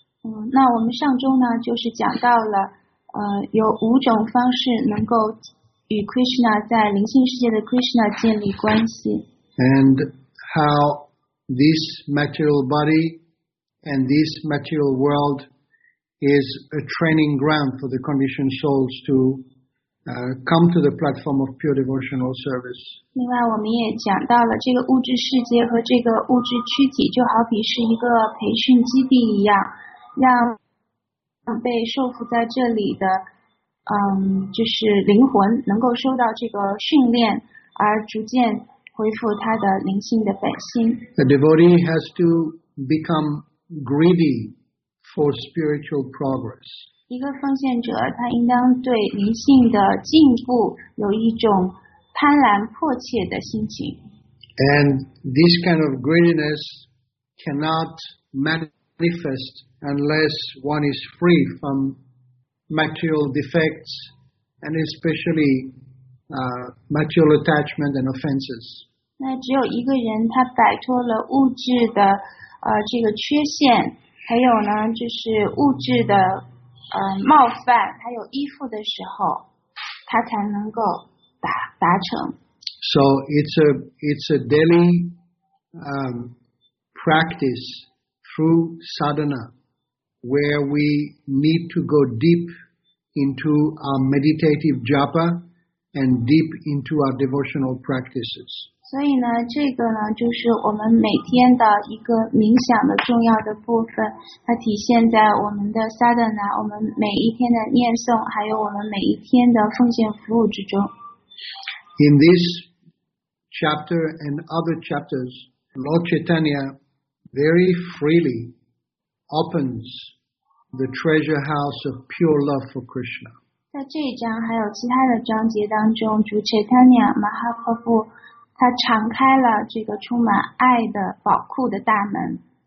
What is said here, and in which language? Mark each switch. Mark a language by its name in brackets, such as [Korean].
[Chinese] 那我们上周呢，就是讲到了，有五种方式能够与 Krishna 在灵性世界的 Krishna 建立关系。 [English] And how this material body and this material world is a training ground for the conditioned souls to come to the platform of pure devotional service. [Chinese] 另外，我们也讲到了这个物质世界和这个物质躯体，就好比是一个培训基地一样，让被受缚在这里的，就是灵魂能够受到这个训练，而逐渐恢复他的灵性的本性。 [English] The devotee has to become greedy for spiritual progress. [Chinese] 一个奉献者，他应当对灵性的进步有一种贪婪迫切的心情。 [English] And this kind of greediness cannot manifest unless one is free from material defects and especially material attachment and offenses. [Chinese] 那只有一个人，他摆脱了物质的这个缺陷，还有呢，就是物质的冒犯，还有依附的时候，他才能够达成。 [English] So it's a daily practice through sadhana, where we need to go deep into our meditative japa and deep into our devotional practices. [Chinese] 所以呢，这个呢，就是我们每天的一个冥想的重要的部分，它体现在我们的 sadhana, 我们每一天的念诵，还有我们每一天的奉献服务之中。 [English] In this chapter and other chapters, Lord Chaitanya very freely opens the treasure house of pure love for Krishna. [Chinese] 在这一章还有其他的章节当中，主 Chaitanya Mahaprabhu 他敞开了这个充满爱的宝库的大门。